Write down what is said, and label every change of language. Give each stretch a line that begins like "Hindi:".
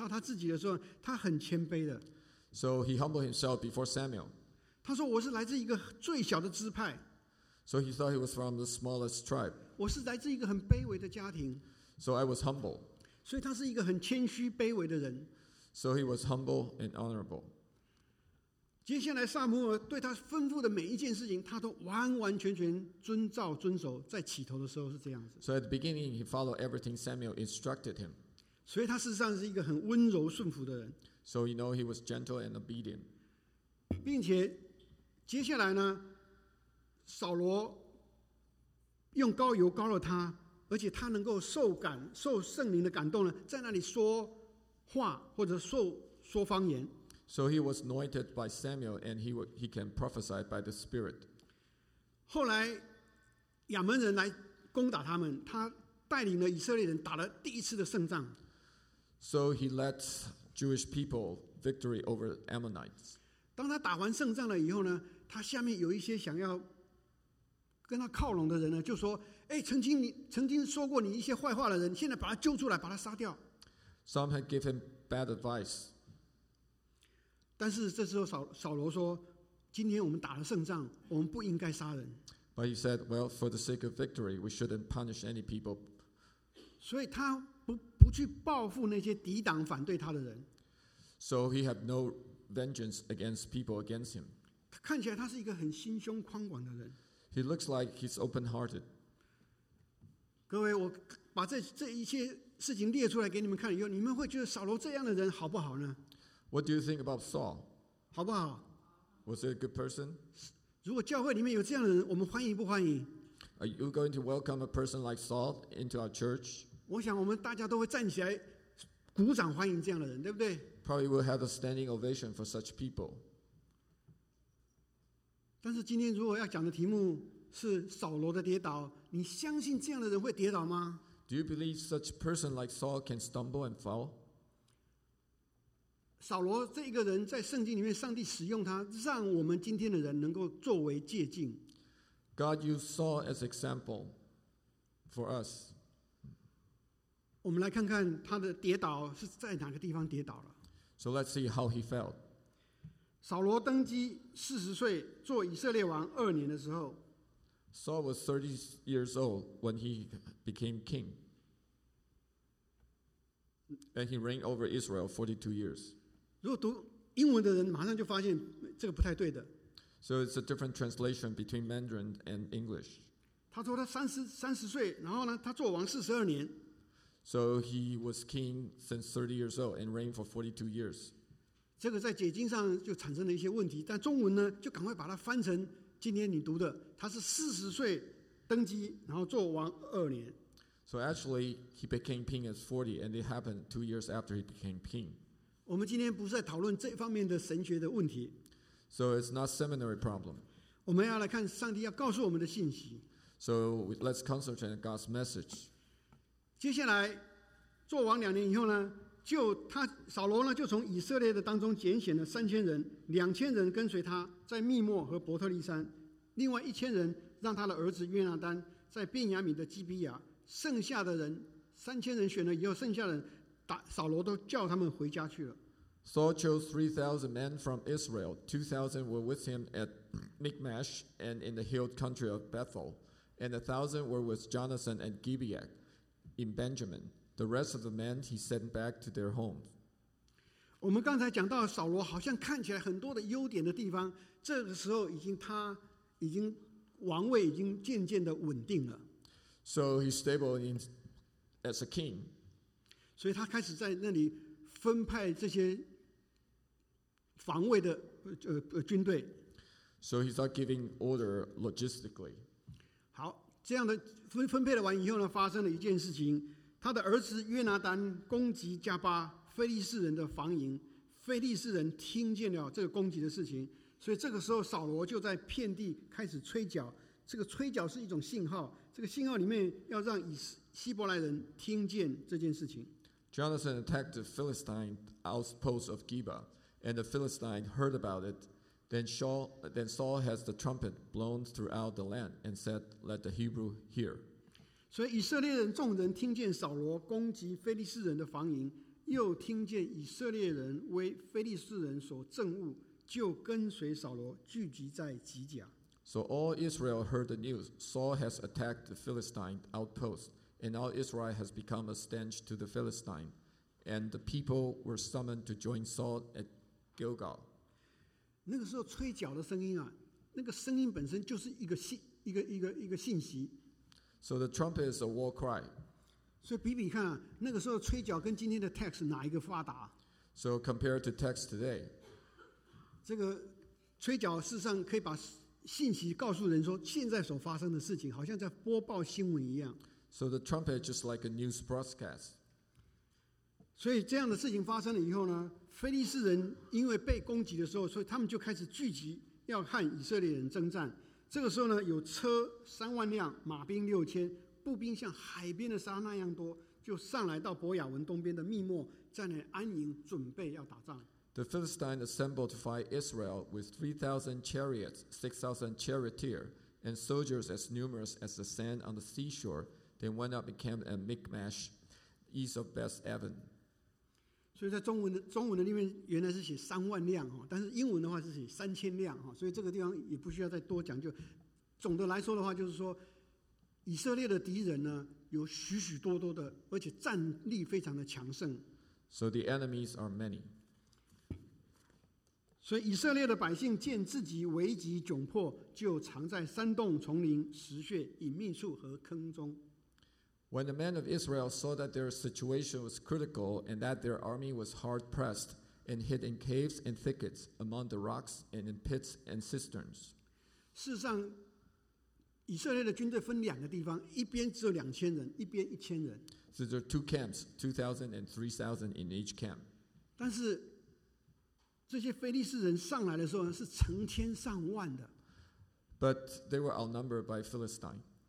Chinese: 而且来到撒母耳的面前以后呢，在撒母耳看在这宾客的面前呢，介绍他自己的时候，他很谦卑的。
English: So he humbled himself before Samuel.
Chinese: 他说我是来自一个最小的支派。
English: So he thought he was from the smallest tribe.
Chinese: 我是来自一个很卑微的家庭。
English: So I was humble.
Chinese: 所以他是一个很谦虚卑微的人。
English: So he was humble and honorable.
Chinese: 接下来撒母耳对他吩咐的每一件事情，他都完完全全遵照遵守，在起头的时候是这样子。
English: So at the beginning, he followed everything Samuel instructed him.
Chinese: 所以他事实上是一个很温柔顺服的人。
English: So you know he was gentle and obedient.
Chinese: 并且接下来呢， 扫罗用膏油膏了他，而且他能够受圣灵的感动呢，在那里说话或者说方言。
English: So he was anointed by Samuel, and he can prophesy by the Spirit.
Chinese: 后来亚门人来攻打他们，他带领了以色列人打了第一次的胜仗。
English: So he led Jewish people victory over Ammonites.
Chinese: 当他打完胜仗了以后呢，他下面有一些想要跟他靠拢的人呢，就说：“哎，曾经说过你一些坏话的人，现在把他救出来，把他杀掉。”
English: Some had given bad advice.
Chinese: 但是这时候扫罗说：“今天我们打了胜仗，我们不应该杀人。”
English: But he said, "Well, for the sake of victory, we shouldn't punish any people."
Chinese: 所以他不去报复那些抵挡反对他的人。
English: So he had no vengeance against people against him.
Chinese: 看起来他是一个很心胸宽广的人。
English: He looks like he's open-hearted.
Chinese: 各位，我把这一切事情列出来给你们看，你们会觉得扫罗这样的人好不好呢？
English: What do you think about Saul?
Chinese: 好不好？
English: Was he a good person?
Chinese: 如果教会里面有这样的人，我们欢迎不欢迎？
English: Are you going to welcome a person like Saul into our church?
Chinese: 我想我们大家都会站起来鼓掌欢迎这样的人，对不对？
English: Probably we'll have a standing ovation for such people.
Chinese: 但是今天如果要讲的题目是扫罗的跌倒，你相信这样的人会跌倒吗？
English: Do you believe such a person like Saul can stumble and fall?
Chinese: 扫罗这一个人在圣经里面，上帝使用他，让我们今天的人能够作为借镜。
English: God used Saul as example for us.
Chinese: 我们来看看他的跌倒是在哪个地方跌倒了。
English: So let's see how he fell.
Chinese: 扫罗登基40岁做以色列王二年的时候，
English: Saul was 30 years old when he became king, and he reigned over Israel 42 years.
Chinese: 如果读英文的人马上就发现这个不太对的。
English: So it's a different translation between Mandarin and English.
Chinese: 他说他30岁，然后呢他做王42年。
English: So he was king since 30 years old and reigned for 42 years.
Chinese: 这个在解经上就产生了一些问题，但中文呢就赶快把它翻成今天你读的，他是四十岁登基，然后做王二年。
English: So actually he became king at 40, and it happened 2 years after he became king.
Chinese: 我们今天不是在讨论这方面的神学的问题。
English: So it's not seminary problem.
Chinese: 我们要来看上帝要告诉我们的信息。
English: So let's concentrate on God's message.
Chinese: 接下来做王两年以后呢？就他扫罗呢，就从以色列的当中拣选了3000人，2000人跟随他，在密莫和伯特利山，另外1000人让他的儿子约拿丹在便雅悯的基比亚，剩下的人3000人选了以后，剩下的人扫罗都叫他们回家去了。
English: Saul chose 3,000 men from Israel. 2,000 were with him at Michmash and in the hill country of Bethel, and 1,000 were with Jonathan at Gibeah in Benjamin. The rest of the men he sent back to their homes.
Chinese: 我们刚才讲到扫罗好像看起来很多的优点的地方，这个时候他已经王位已经渐渐的稳定了。
English: So he's stable as a king.
Chinese: 所以他开始在那里分派这些防卫的军队。
English: So he started giving order logistically.
Chinese: 好，这样的分配了完以后呢，发生了一件事情。他的儿子约拿丹攻击加巴非利士人的防营，非利士人听见了这个攻击的事情，所以这个时候扫罗就在遍地开始吹角。这个吹角是一种信号，这个信号里面要让希伯来人听见这件事情。
English: Jonathan attacked the Philistine outpost of Geba, and the Philistine heard about it. Then Saul has the trumpet blown throughout the land and said, "Let the Hebrew hear."
Chinese: 所以以色列人众人听见扫罗攻击非利士人的防营，又听见以色列人为非利士人所憎恶，就跟随扫罗聚集在基甲。
English: So all Israel heard the news. Saul has attacked the Philistine outpost, and all Israel has become a stench to the Philistine. And the people were summoned to join Saul at Gilgal.
Chinese: 那个时候吹角的声音啊，那个声音本身就是一个信息。
English: So the trumpet is a war cry.
Chinese: 所以比比看，那个时候吹角跟今天的 text 哪一个发达？
English: So compared to text today,
Chinese: 这个吹角事实上可以把信息告诉人说现在所发生的事情，好像在播报新闻一样。
English: So the trumpet is just like a news broadcast.
Chinese: 所以这样的事情发生了以后呢，非利士人因为被攻击的时候，所以他们就开始聚集要和以色列人征战。这个时候呢，有车30,000辆，马兵6,000，步兵像海边的沙那样多，就上来到伯亚文东边的密莫，在那安营准备要打仗。
English: The Philistine assembled to fight Israel with 3,000 chariots, 6,000 charioteer, and soldiers as numerous as the sand on the seashore. They went up and camped at Michmash, east of Beth Aven.
Chinese: 所以在中文的里面原来是写30,000辆，但是英文的话是写3,000辆，所以这个地方也不需要再多讲究。总的来说的话，就是说以色列的敌人呢有许许多多的，而且战力非常的强盛。
English: So the enemies are many.
Chinese: 所以以色列的百姓见自己危急窘迫，就藏在山洞、丛林、石穴、隐秘处和坑中。
English: When the men of Israel saw that their situation was critical and that their army was hard pressed, and hid in caves and thickets, among the rocks and in pits and cisterns.
Chinese: 事实上，以色列的军队分两个地方，一边只有2,000人，一边1,000人。
English: So there are two camps, 2,000 and 3,000 in each camp.
Chinese: 但是这些非利士人上来的时候呢，是成千上万的。
English: But they were outnumbered by Philistine.